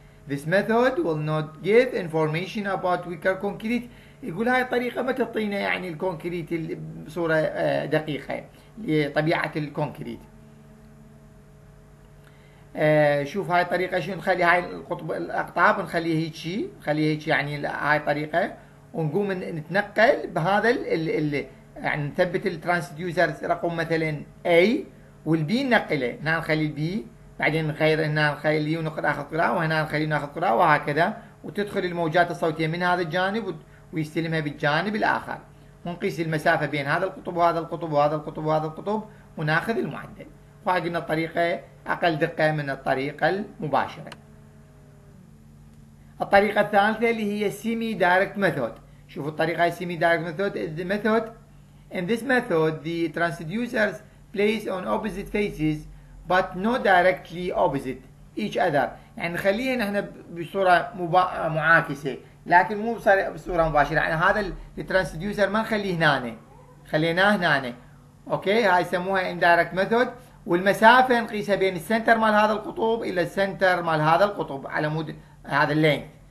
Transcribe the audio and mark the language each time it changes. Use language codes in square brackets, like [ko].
[en] This method will not give information about weaker concrete. [ar] يقول هاي الطريقة ما تعطينا يعني الكونكريت بصورة دقيقة لطبيعة الكونكريت. شوف هاي الطريقة شو نخلي هاي القطب الأقطاب نخليها هيك شيء، نخليها هيك يعني هاي الطريقة، ونقوم نتنقل بهذا يعني نثبت الترانسديوزر رقم مثلا A والبي ننقله، هنا نخلي البي، بعدين نغير هنا نخليه ناخذ قراءة، وهنا نخليه ناخذ قراءة، وهكذا، وتدخل الموجات الصوتية من هذا الجانب ويستلمها بالجانب الآخر، ونقيس المسافة بين هذا القطب وهذا القطب وهذا القطب وهذا القطب، وناخذ المعدل. فقلنا الطريقة أقل دقة من الطريقة المباشرة. الطريقة الثالثة اللي هي سيمي دايركت ميثود. شوفوا الطريقة سيمي دايركت ميثود. [en] The method in this method the transducers place on opposite faces but not directly opposite each other. [ar] يعني خليها نحن بصورة معاكسة، لكن مو بصورة مباشرة. يعني هذا الترانسديوسر ما نخليه هنا، خليناه هنا، اوكي. هاي يسموها indirect method، والمسافة نقيسها بين السنتر مال هذا القطب الى السنتر مال هذا القطب على مود هذا اللينك.